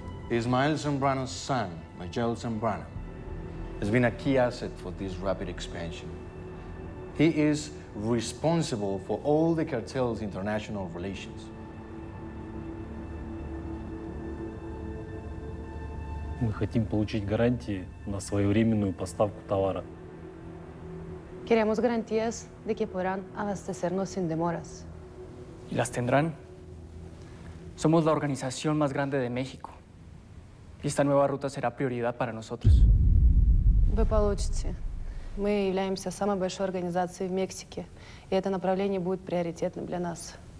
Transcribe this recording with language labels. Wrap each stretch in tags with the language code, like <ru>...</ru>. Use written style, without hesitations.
<en>Ismael Zambrano's son, Miguel Zambrano, has been a key asset for this rapid expansion. He is responsible for all the cartel's international relations.</en> <ru>Мы хотим получить гарантии на своевременную поставку товара.</ru> <es>Queremos garantías de que podrán abastecernos sin demoras. ¿Y las tendrán? Somos la organización más grande de México. Y esta nueva ruta será prioridad para nosotros.</es> <ru>Вы получите. Мы являемся самой большой организацией в Мексике, и это направление будет приоритетным для нас.</ru>